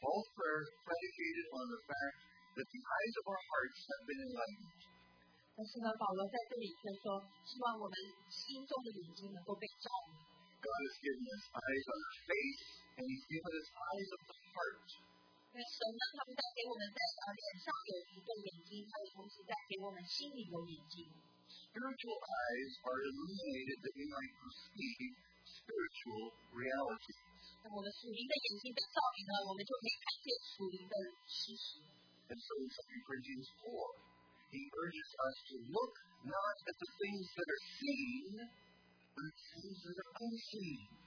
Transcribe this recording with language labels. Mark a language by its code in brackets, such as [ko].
[en] All prayer is predicated on the fact that the eyes of our hearts have been enlightened. [zh] 但是呢，保罗在这里却说，希望我们心中的眼睛能够被照明。 [en] God has given us eyes on the face, and He's given us eyes of the heart. [zh] 神呢，他们在给我们在脸上有一个眼睛，他也同时在给我们心里有眼睛。 [en] Spiritual eyes are illuminated that we might perceive spiritual realities. [zh] 那我们属灵的眼睛被照明了，我们就可以看见属灵的事实。 [en] And so in 2 Corinthians 4, he urges us to look not at the things that are seen, but at the things that are unseen.